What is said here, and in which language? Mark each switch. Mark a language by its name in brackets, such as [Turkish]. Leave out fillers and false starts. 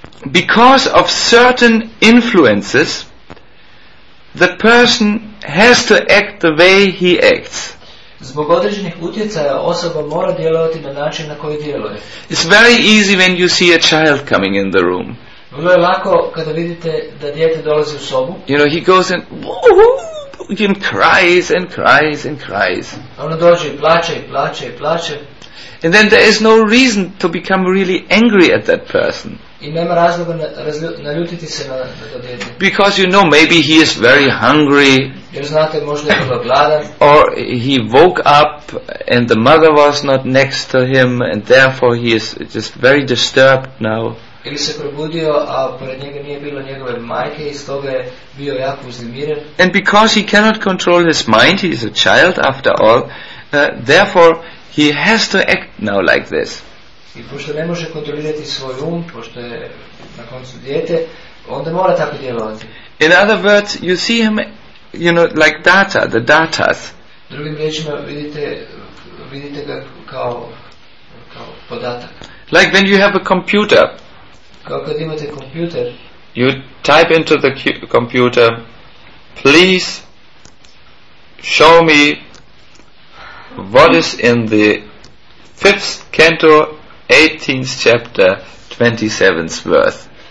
[English] Because of certain influences, the person has to act the way he acts. [Croatian] Zbog određenih utjecaja osoba mora djelovati na način na koji djeluje. [English] It's very easy when you see a child coming in the room. [Croatian] Vrlo je lako kada vidite da dijete dolazi u sobu. [English] You know, he goes and woohoo, and cries and cries and cries. [Croatian] Ono dođe i plače i plače i plače. [English] And then there is no reason to become really angry at that person. [Croatian] I nema razloga naljutiti se na to dijete. [English] Because you know, maybe he is very hungry. [Croatian] Jer znate, možda je bilo gladan. [English] Or he woke up and the mother was not next to him and therefore he is just very disturbed now. [Croatian] Ili se probudio, a pored njega nije bilo njegove majke i stoga je bio jako uznemiren. [English] And because he cannot control his mind, he is a child after all, therefore he has to act now like this. [Croatian] I pošto ne može kontrolirati svoj um, pošto je na koncu dijete, onda mora tako djelovati. [English] In other words, you see him, you know, like data, the datas. [Croatian] Drugim riječima, vidite ga kao podatak. [English] Like when you have a computer. [Croatian] Kao kad imate computer. [English] You type into the computer, please show me what is in the 5th canto 18th chapter 27th verse.